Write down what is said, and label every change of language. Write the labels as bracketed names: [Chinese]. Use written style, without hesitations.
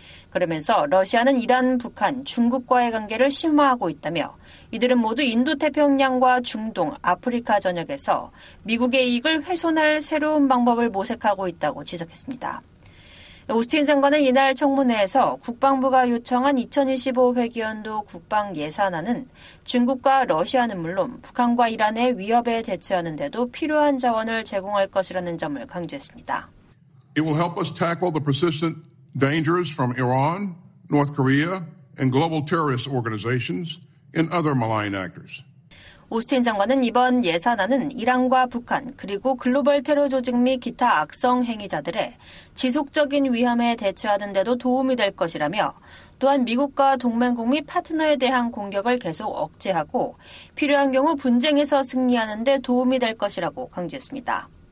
[Korean] 그러면서 러시아는 이란, 북한, 중국과의 관계를 심화하고 있다며 이들은 모두 인도태평양과 중동, 아프리카 전역에서 미국의 이익을 훼손할 새로운 방법을 모색하고 있다고 지적했습니다. 오스틴 장관은 이날 청문회에서 국방부가 요청한 2025 회기연도 국방 예산안은 중국과 러시아는 물론 북한과 이란의 위협에 대처하는 데도 필요한 자원을 제공할 것이라는 점을 강조했습니다. [English] It will help us tackle the persistent dangers from Iran, North Korea, and global terrorist organizations and other malign actors. [Korean] 오스틴 장관은 이번 예산안은 이란과 북한 그리고 글로벌 테러 조직 및 기타 악성 행위자들의 지속적인 위험에 대처하는 데도 도움이 될 것이라며 또한 미국과 동맹국 및 파트너에 대한 공격을 계속 억제하고 필요한 경우 분쟁에서 승리하는 데 도움이 될 것이라고 강조했습니다.